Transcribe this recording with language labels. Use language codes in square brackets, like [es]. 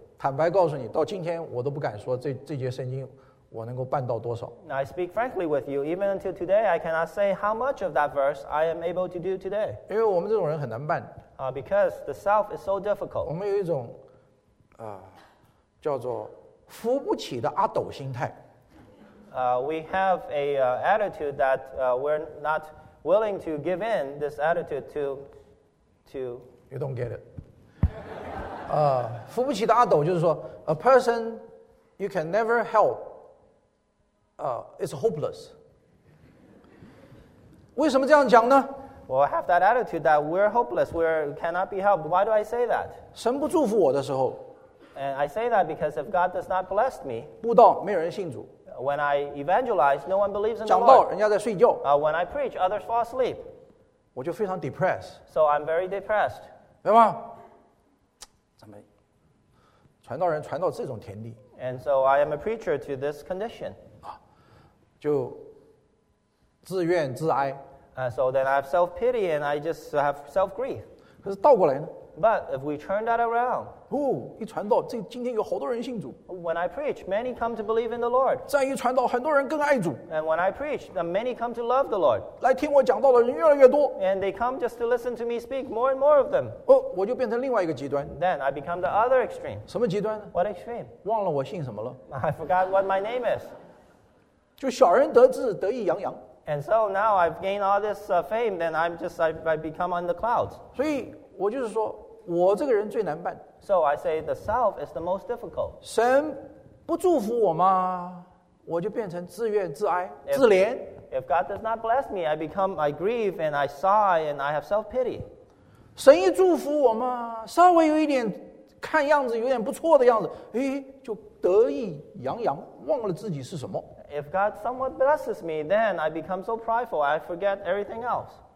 [zh] 坦白告诉你，到今天我都不敢说这节圣经我能够办到多少。 [en] Now I speak frankly with you, even until today, I cannot say how much of that verse I am able to do today. [zh] 因为我们这种人很难办。 [en] Because the self is so difficult. [zh] 我们有一种叫做扶不起的阿斗心态。 [en] We have a attitude that we're not willing to give in this attitude to. You don't get it. [zh] 扶不起的阿斗就是说 [en] a person you can never help is hopeless. [zh] 为什么这样讲呢？ [en] Well, I have that attitude that we're hopeless, we cannot be helped. Why do I say that? [zh] 神不祝福我的时候。 [en] And I say that because if God does not bless me, [zh] 布道没人信主。 [en] When I evangelize, no one believes in the Lord. [zh] 讲道人家在睡觉。 [en] When I preach, others fall asleep. [zh] 我就非常 [en] depressed. So I'm very depressed. [zh] 对吧？怎么？传道人传到这种田地。 [en] And so I am a preacher to this condition. [zh] 就自怨自哀。 [en] So then I have self-pity and I just have self-grief. [zh] 可是倒过来呢？ [en] But if we turn that around, [zh] 一传道，这今天有好多人信主。 [en] When I preach, many come to believe in the Lord. [zh] 再一传道，很多人更爱主。 [en] And when I preach, many come to love the Lord. [zh] 来听我讲道的人越来越多。 [en] And they come just to listen to me speak, more and more of them. [zh] 我就变成另外一个极端。 [en] Then I become the other extreme. [zh] 什么极端呢？ [en] What extreme? [zh] 忘了我姓什么了。 [en] I forgot what my name is. [zh] 就小人得志，得意洋洋。 [en] And so now I've gained all this fame, then I become on the clouds. [zh] 所以我就是说。我这个人最难办。 [en] So I say the self is the most difficult. [zh] 神不祝福我吗？我就变成自怨自哀、自怜。 [en] If God does not bless me, I grieve and I sigh and I have self-pity. [zh] 神一祝福我吗？稍微有一点看样子有点不错的样子，就得意洋洋，忘了自己是什么。 [en] If God somewhat blesses me, then I become so prideful, I forget everything else.